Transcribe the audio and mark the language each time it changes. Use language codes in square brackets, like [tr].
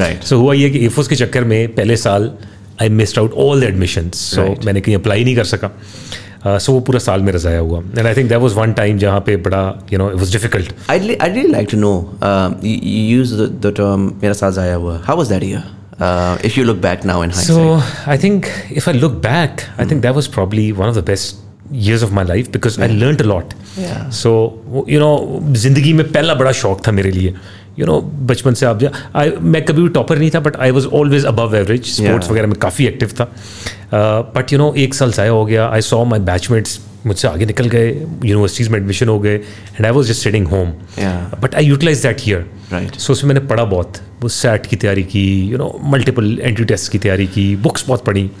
[ur] سو ہوا یہ کہ ایف ایس کے چکر میں پہلے سال [en] I missed out all admissions, [ur] سو میں نے کہیں اپلائی نہیں کر سکا. سو وہ پورا سال میں رضایا ہوا, [en] And I think that was one time جہاں پہ بڑا you know it was difficult. I really like to no use the term [ur] میرا سال ضائع ہوا, [en] How was that year if you look back now in hindsight? So I think if I look back, I think that was probably one of the best years of my life because I learned a lot. Yeah. [ur] So you know, zindagi mein pehla bada shauk tha mere liye, you know بچپن سے آپ میں کبھی بھی topper نہیں تھا but I was always above average sports وغیرہ میں کافی ایکٹیو تھا بٹ یو نو ایک سال ضائع ہو گیا آئی سو مائی بیچ میٹس مجھ سے آگے نکل گئے یونیورسٹیز میں ایڈمیشن ہو گئے and I was just سٹڈنگ home but I utilise that year so اس میں نے پڑھا بہت وہ سیٹ کی تیاری کی you know multiple entry test کی تیاری کی بکس بہت پڑھی